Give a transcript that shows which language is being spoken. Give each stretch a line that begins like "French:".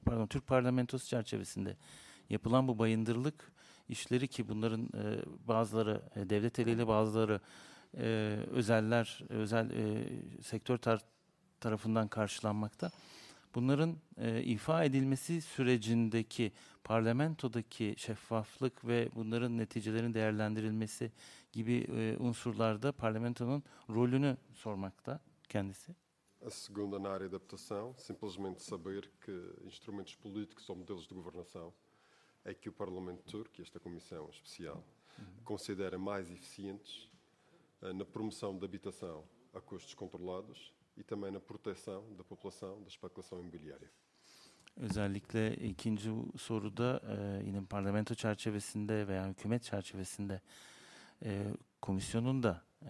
Turkish: Türk Parlamentosu çerçevesinde yapılan bu bayındırlık işleri ki bunların bazıları devlet eliyle, bazıları özel sektör tarafından karşılanmakta. Bunların ifa edilmesi sürecindeki parlamentodaki şeffaflık ve bunların neticelerin değerlendirilmesi gibi unsurlarda parlamentonun rolünü sormakta kendisi.
Portuguese: A segunda na área de adaptação, simplesmente saber que instrumentos políticos ou modelos de governação é que o Parlamento Turco, esta comissão especial, considera mais eficientes na promoção da habitação a custos controlados e também na proteção da população da especulação imobiliária.
Turkish: Özellikle ikinci soruda yine parlamento çerçevesinde veya hükümet çerçevesinde komisyonun da